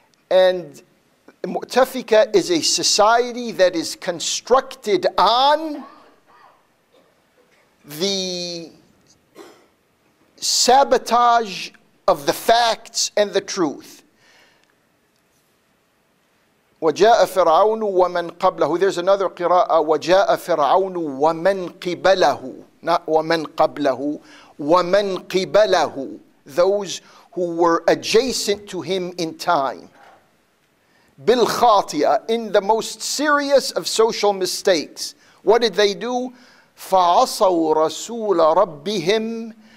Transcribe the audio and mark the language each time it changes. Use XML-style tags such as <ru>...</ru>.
<en>And mu'tafika is a society that is constructed on the sabotage of the facts and the truth.</en> <ar>وَجَاءَ فِرْعَوْنُ وَمَنْ قَبْلَهُ.</ar> <en>There's another qira'a,</en> <ar>وَجَاءَ فِرْعَوْنُ وَمَنْ قِبَلَهُ.</ar> <en>Not</en> <ar>وَمَنْ قَبْلَهُ, وَمَنْ قِبَلَهُ.</ar> <en>Those who were adjacent to him in time.</en> <ar>بِالْخَاطِئَةِ,</ar> <en>in the most serious of social mistakes. What did they do?</en> <ar>فَعَصَوْا رَسُولَ رَبِّهِمْ</ar>